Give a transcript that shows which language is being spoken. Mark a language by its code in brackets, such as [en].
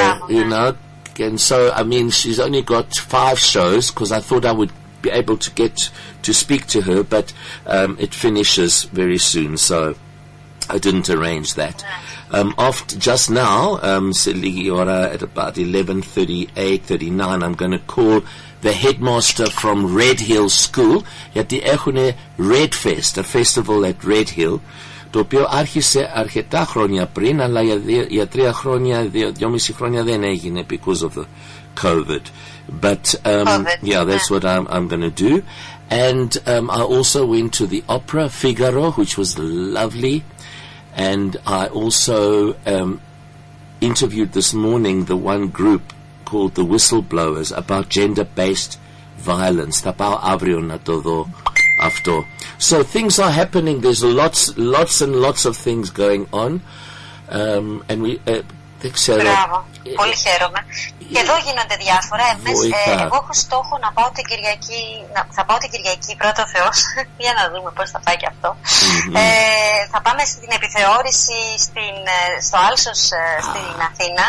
[en] You know, and so I mean, she's only got 5 shows because I thought I would be able to get to speak to her, but it finishes very soon, so I didn't arrange that. Just now, Siligiora at about 11:38, 39, I'm going to call the headmaster from Red Hill School, [el] γιατί έχουν Red Fest, [en] a festival at Red Hill, [el] το οποίο άρχισε αρκετά χρόνια πριν, αλλά για τρία χρόνια, δυόμιση χρόνια δεν έγινε [en] because of the COVID. But COVID, yeah, that's what I'm going to do. And I also went to the opera Figaro, which was lovely. And I also interviewed this morning the one group called the Whistleblowers about gender-based violence. [el] Θα πάω αύριο να το δω αυτό. [en] So things are happening. There's lots and lots of things going on. And we... [el] Μπράβο, πολύ χαίρομαι. Και εδώ γίνονται διάφορα. Εγώ έχω στόχο να πάω την Κυριακή. Θα πάω την Κυριακή, πρώτο Θεό, για να δούμε πώς θα πάει και αυτό. Mm-hmm. Θα πάμε στην επιθεώρηση στο Άλσος στην Αθήνα,